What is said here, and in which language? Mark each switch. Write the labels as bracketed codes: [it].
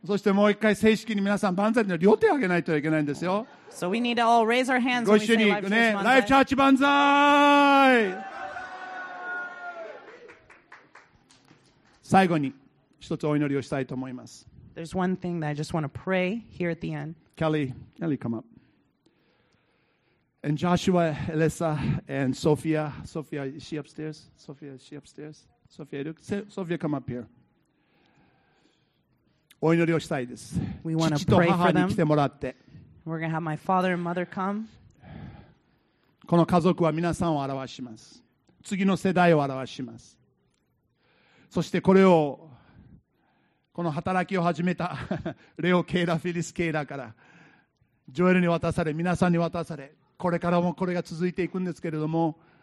[ja] そしてもう一回正式に皆さん万歳の両手を挙げないといけないんですよ。 [en] So we need to all raise our hands when we say Life [ja] Church 万歳。ご一緒にね、 Life Church 万歳。最後に一つお祈りをしたいと思います。 [en] There's one thing that I just want to pray here at the end. Kelly, come up. And Joshua, Elissa, and Sophia. Sophia, is she upstairs? Sophia, is she upstairs? Sophia, come up here. [ja] お祈りをしたいです。 [en] We want to pray for them. [ja] 父と母に来てもらって。 [en] We're going to have my father and mother come. [ja] この家族は皆さんを表します。次の世代を表します。そしてこれをこの働きを始めたレオ・ケイラ・フィリス・ケイラからジョエルに渡され皆さんに渡されこれからもこれが続いていくんですけれども